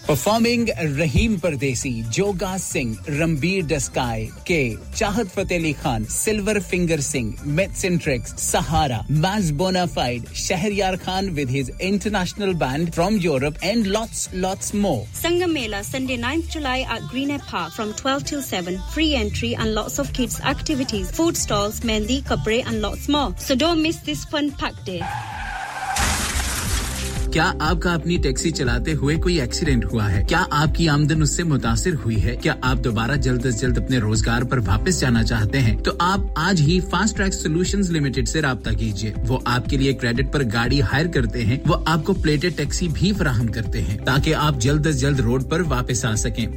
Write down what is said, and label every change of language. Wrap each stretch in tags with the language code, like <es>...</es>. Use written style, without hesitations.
<en>Performing Rahim Pardesi Joga Singh Ranbir Daskai के Chahat Fateh Ali Khan silver finger Singh myths and tricks Sahara मैज bonafide Shahryar Khan with his international band from Europe and lots more Sangam Mela Sunday 9th July at Greenhead Park from 12 till 7 free entry and lots of kids activities food stalls Mehndi, kapre and lots more. So don't miss this fun packed day.</en> <hi>क्या आपका अपनी taxi चलाते हुए कोई accident हुआ है क्या आपकी आमदनी उससे मुतासिर हुई है क्या आप दोबारा जल्द से जल्द अपने रोजगार पर वापस जाना चाहते हैं तो आप आज ही फास्ट ट्रैक सॉल्यूशंस लिमिटेड से राबता कीजिए वो आपके लिए क्रेडिट पर गाड़ी हायर करते हैं वो आपको प्लेटेड टैक्सी भी प्रदान करते हैं ताकि आप जल्द से जल्द रोड पर वापस आ सकें</hi>